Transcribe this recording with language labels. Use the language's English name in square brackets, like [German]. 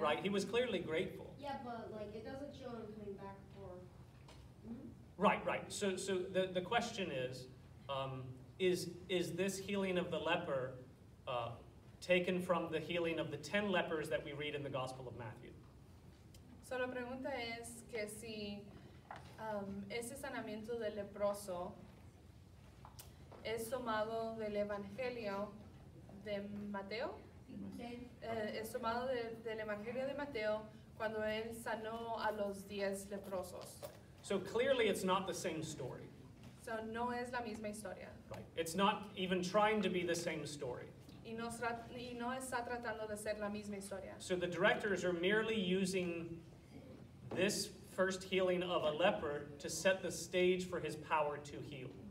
[English] Right? He was clearly grateful. Yeah, but like it doesn't show him coming back for. Right. So the question is this healing of the leper taken from the healing of the 10 lepers that we read in the Gospel of Matthew? [Spanish] So la pregunta es que si ese sanamiento del leproso es tomado del Evangelio de Mateo. Es tomado del Evangelio de Mateo cuando él sanó a los 10 leprosos. [English] So clearly it's not the same story. [Spanish] So no es la misma historia. [English] Right. It's not even trying to be the same story. [Spanish] Y no está tratando de ser la misma historia. [English] So the directors are merely using this first healing of a leper to set the stage for his power to heal.